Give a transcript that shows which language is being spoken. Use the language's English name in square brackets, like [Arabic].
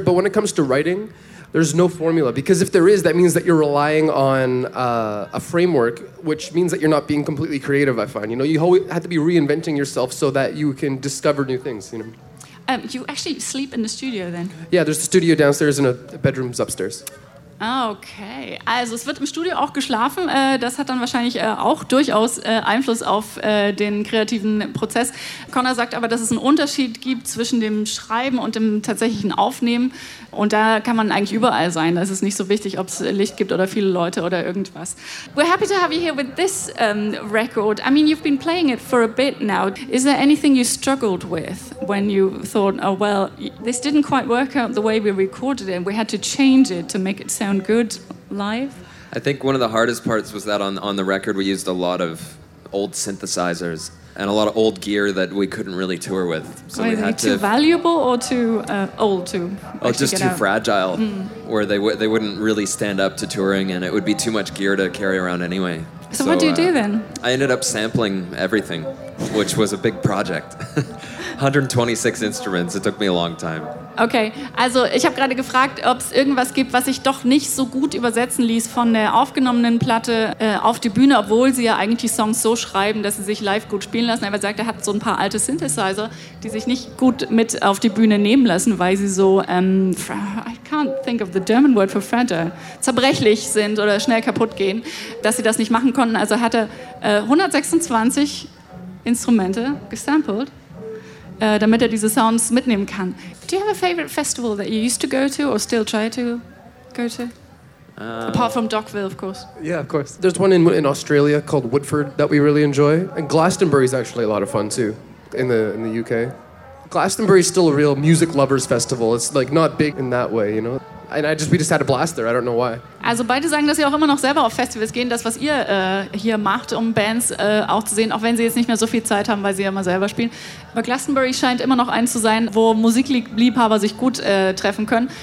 [English] But when it comes to writing, there's no formula, because if there is, that means that you're relying on a framework, which means that you're not being completely creative, I find. You know, you have to be reinventing yourself so that you can discover new things, you know. You actually sleep in the studio then? Yeah, there's a studio downstairs and a bedroom upstairs. [German] Okay, also es wird im Studio auch geschlafen, das hat dann wahrscheinlich auch durchaus Einfluss auf den kreativen Prozess. Connor sagt aber, dass es einen Unterschied gibt zwischen dem Schreiben und dem tatsächlichen Aufnehmen und da kann man eigentlich überall sein, da ist es nicht so wichtig, ob es Licht gibt oder viele Leute oder irgendwas. [English] We're happy to have you here with this record. I mean, you've been playing it for a bit now. Is there anything you struggled with when you thought, oh well, this didn't quite work out the way we recorded it, we had to change it to make it sound good live? I think one of the hardest parts was that on the record we used a lot of old synthesizers and a lot of old gear that we couldn't really tour with. So were they too valuable or too old to? Oh, just too fragile. Mm. Where they wouldn't really stand up to touring and it would be too much gear to carry around anyway. So what do you do then? I ended up sampling everything, which was a big project. 126 Instruments, it took me a long time. [German] Okay, also ich habe gerade gefragt, ob es irgendwas gibt, was sich doch nicht so gut übersetzen ließ von der aufgenommenen Platte auf die Bühne, obwohl sie ja eigentlich Songs so schreiben, dass sie sich live gut spielen lassen. Aber er sagt, er hat so ein paar alte Synthesizer, die sich nicht gut mit auf die Bühne nehmen lassen, weil sie so, [English] I can't think of the German word for fragile, [German] zerbrechlich sind oder schnell kaputt gehen, dass sie das nicht machen konnten. Also hat er 126 Instrumente gesampled. Damit er diese Sounds mitnehmen kann. [English] Do you have a favorite festival that you used to go to or still try to go to? Apart from Dockville, of course. Yeah, of course. There's one in Australia called Woodford that we really enjoy. And Glastonbury is actually a lot of fun too in the UK. Glastonbury is still a real music lovers festival. It's like not big in that way, you know. And we just had a blast there. I don't know why. [German] Also beide sagen, dass sie auch immer noch selber auf Festivals gehen. Das, was ihr hier macht, um Bands auch zu sehen, auch wenn sie jetzt nicht mehr so viel Zeit haben, weil sie ja immer selber spielen. Aber Glastonbury scheint immer noch eins zu sein, wo Musikliebhaber sich gut treffen können.